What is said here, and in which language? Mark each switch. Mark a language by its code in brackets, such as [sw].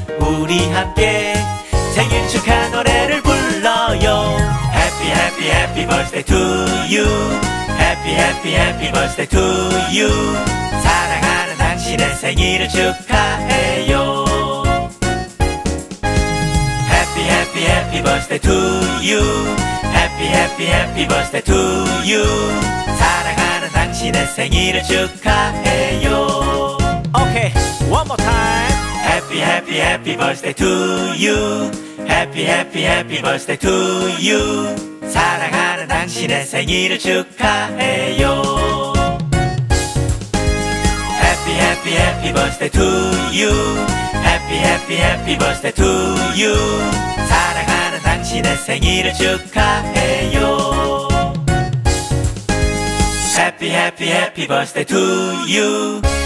[ko] 우리 함께 생일 축하 노래를 불러요. [en] Happy happy happy birthday to you. Happy happy happy birthday to you. [ko] 사랑하는 당신의 생일을 축하해요. [en] Happy happy happy birthday to you. Happy happy happy birthday to you. [ko] 사랑하는 당신의 생일을 축하해요. [en] Okay, one more time. Happy happy happy birthday to you. Happy happy happy birthday to you. [ko] 사랑하는 당신의 생일을 축하해요. [en] Happy happy happy birthday to you. Happy happy happy birthday to you. [ko] 사랑하는 당신의 생일을 축하해요. [en] Happy happy happy birthday to you.